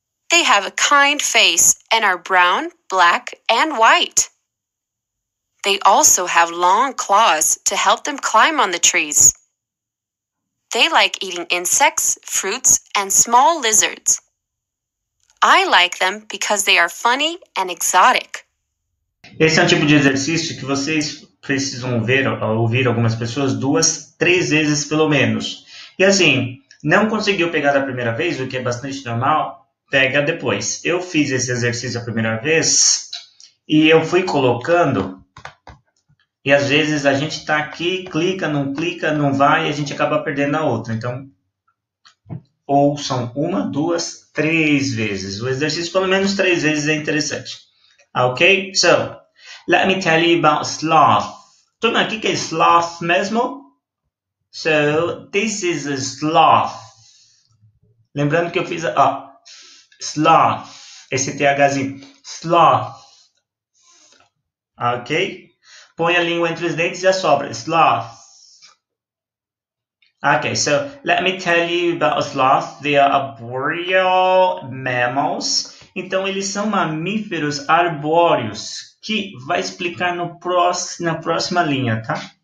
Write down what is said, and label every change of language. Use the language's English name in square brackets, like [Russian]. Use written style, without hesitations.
[English] They have a kind face and are brown, black, and white. They also have long claws to help them climb on the trees. They like eating insects, fruits, and small lizards. I like them because they are funny and exotic. [Portuguese] Esse é um tipo de exercício que vocês precisam ver, ouvir algumas pessoas duas, três vezes pelo menos. E assim, não conseguiu pegar da primeira vez, o que é bastante normal, pega depois. Eu fiz esse exercício a primeira vez e eu fui colocando. E às vezes a gente está aqui, clica, não vai, e a gente acaba perdendo a outra. Então, ouçam uma, duas, três vezes. O exercício, pelo menos três vezes, é interessante. [English] Ok? So, let me tell you about sloth. [Portuguese] Turma, o que é sloth mesmo? [English] So, this is a sloth. [Portuguese] Lembrando que eu fiz sloth, esse THzinho. Sloth. Ok? Põe a língua entre os dentes e assopra. [English] Sloth. Okay, so let me tell you about a sloth. They are arboreal mammals. [Portuguese] Então, eles são mamíferos arbóreos, que vai explicar no na próxima linha, tá?